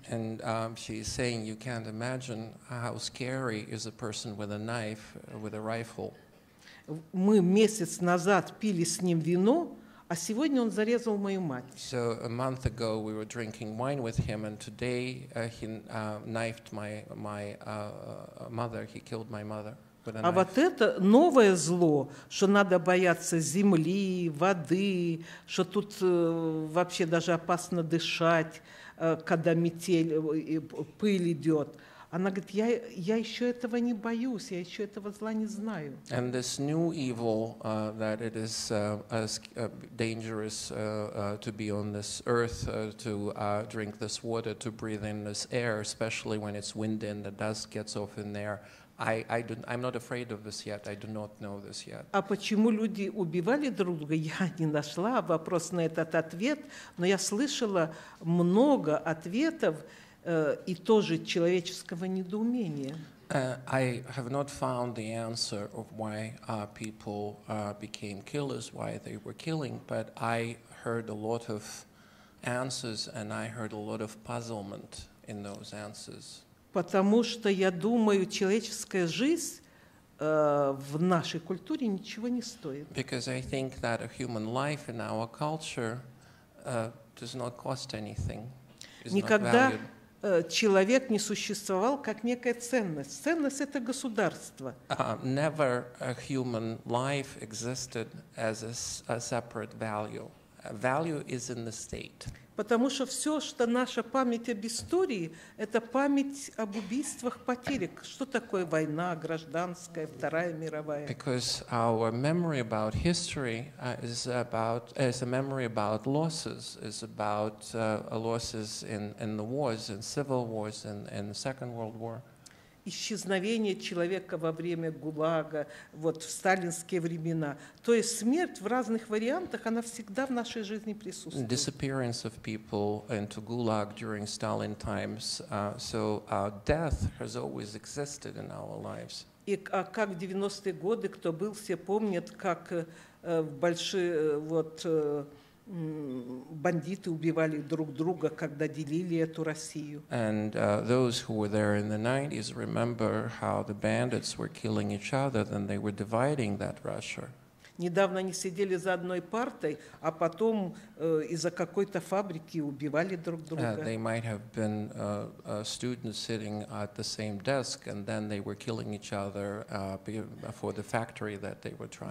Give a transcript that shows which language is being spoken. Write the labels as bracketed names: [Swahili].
[English] And she's saying, you can't imagine how scary is a person with a knife, with a rifle. [Russian] Мы месяц назад пили с ним вино, а сегодня он зарезал мою мать. [English] So a month ago we were drinking wine with him, and today he knifed my mother. He killed my mother with a knife. [Russian] А вот это новое зло, что надо бояться земли, воды, что тут вообще даже опасно дышать, когда метель и пыль идет. Она говорит, я еще этого не боюсь, я еще этого зла не знаю. [English] And this new evil, that it is dangerous to be on this earth, to drink this water, to breathe in this air, especially when it's windy and the dust gets off in there, I'm not afraid of this yet, I do not know this yet. [Russian] А почему люди убивали друг друга, я не нашла вопрос на этот ответ, но я слышала много ответов, и тоже человеческого недоумения. [English] I have not found the answer of why people became killers, why they were killing, but I heard a lot of answers and I heard a lot of puzzlement in those answers. [Russian] Потому что я думаю, человеческая жизнь в нашей культуре ничего не стоит. [English] Because I think that a human life in our culture does not cost anything. [Russian] Никогда человек не существовал как некая ценность. Ценность – это государство. [English] Never a human life existed as a separate value. A value is in the state. [Russian] Потому что все, что наша память об истории, это память об убийствах, потерях. Что такое война, гражданская, Вторая мировая? [English] Because our memory about history is a memory about losses, is about losses in the wars, in civil wars, in the Second World War. [Russian] исчезновение человека во время ГУЛАГа, вот в сталинские времена. То есть смерть в разных вариантах, она всегда в нашей жизни присутствует. [English] Disappearance of people into ГУЛАГ during Stalin times. Death has always existed in our lives. [Russian] И как в 90-е годы, кто был, все помнят, как бандиты убивали друг друга, когда делили эту Россию. [English] And those who were there in the 90s remember how the bandits were killing each other, then they were dividing that Russia. [Russian] Недавно они сидели за одной партой, а потом из-за какой-то фабрики убивали друг друга. [English] They might have been students sitting at the same desk, and then they were killing each other for the factory that they were trying